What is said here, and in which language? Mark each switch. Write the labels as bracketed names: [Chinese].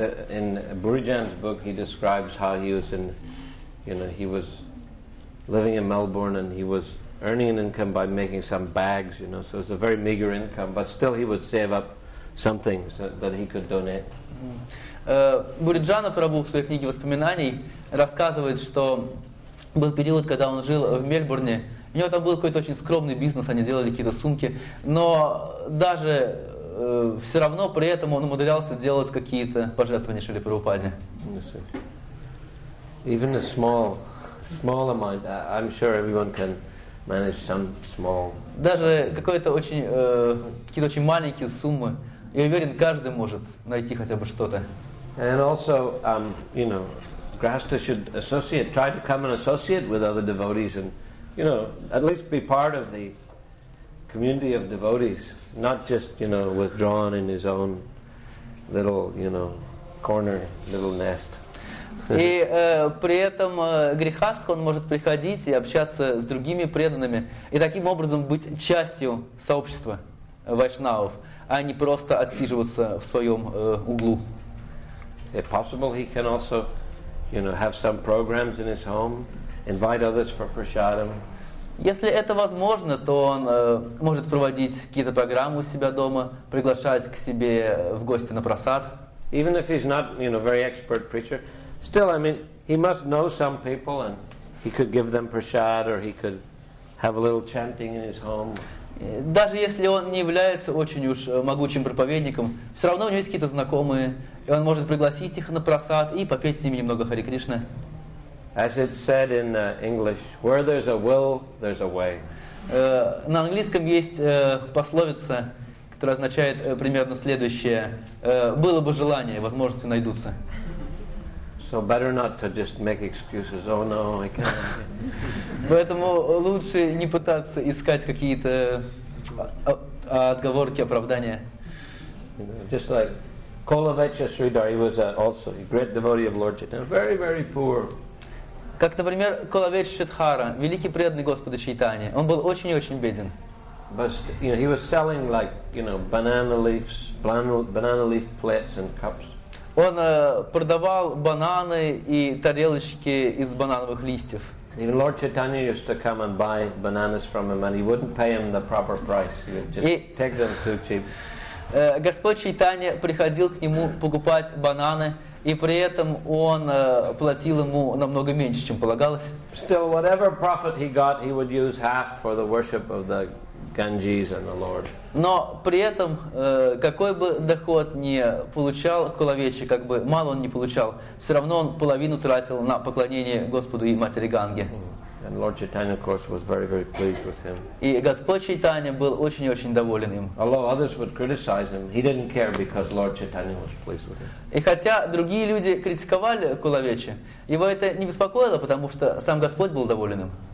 [English] In Burijan's book, he describes how he was in, you know, he was living in Melbourne and he was earning an income by making some bags, you know, so it's a very meager income, but still he would save up something so that he could donate. [Russian] Буриджана Прабху в своей книге воспоминаний рассказывает, что был период, когда он жил в Мельбурне. У него там был какой-то очень скромный бизнес, они делали какие-то сумки. Но даже все равно при этом он умудрялся делать какие-то пожертвования Шриле Прабхупаде. [English] Even a small amount, I'm sure everyone can manage some small. [Russian] Даже какие-то очень маленькие суммы. Я уверен, каждый может найти хотя бы что-то. [English] And also, you know, Grihastha should associate, try to come and associate with other devotees and, you know, at least be part of the community of devotees, not just, you know, withdrawn in his own little, you know, corner, little nest. [Russian] И при этом грехаст, он может приходить и общаться с другими преданными, и таким образом быть частью сообщества вайшнавов, а не просто отсиживаться в своем углу. [English] If possible, he can also, you know, have some programs in his home, invite others for prasadam. [Russian] Если это возможно, то он может проводить какие-то программы у себя дома, приглашать к себе в гости на просад. [English] Even if he's not, you know, very expert preacher, still, I mean, he must know some people, and he could give them prasad, or he could have a little chanting in his home. [Russian] Даже если он не является очень уж могучим проповедником, все равно у него есть какие-то знакомые, и он может пригласить их на просад и попеть с ними немного Хари Кришна. [English] As it said in English, where there's a will, there's a way. [Russian] На английском есть пословица, которая означает примерно следующее: было бы желание, возможности найдутся. [English] So better not to just make excuses. Oh no, I can't. [Russian] Поэтому лучше не пытаться искать какие-то отговорки, оправдания. [English] Just like Kolavecha Sridhar, he was also a great devotee of Lord Chaitanya, very, very poor. [Russian] Как, например, Kolavecha Sridhara, великий преданный Господа Чайтани. Он был очень и очень беден. [English] But you know, he was selling like, you know, banana leaf plates and cups. [Russian] Он продавал бананы и тарелочки из банановых листьев. [English] Even Lord Chaitanya used to come and buy bananas from him, and he wouldn't pay him the proper price. He would just take them too cheap. [Russian] Господь Чайтанья приходил к нему покупать бананы, и при этом он платил ему намного меньше, чем полагалось. [English] Still, whatever profit he got, he would use half for the worship of the Ganges and the Lord. [Russian] Но при этом, какой бы доход ни получал Коловечи, как бы мало он ни получал, все равно он половину тратил на поклонение Господу и Матери Ганге. [English] And Lord Chaitanya, of course, was very, very pleased with him. [Russian] И Господь Чайтанья был очень и очень доволен им. [English] Although others would criticize him, he didn't care because Lord Chaitanya was pleased with him. [Russian] И хотя другие люди критиковали Коловечи, его это не беспокоило, потому что сам Господь был доволен им.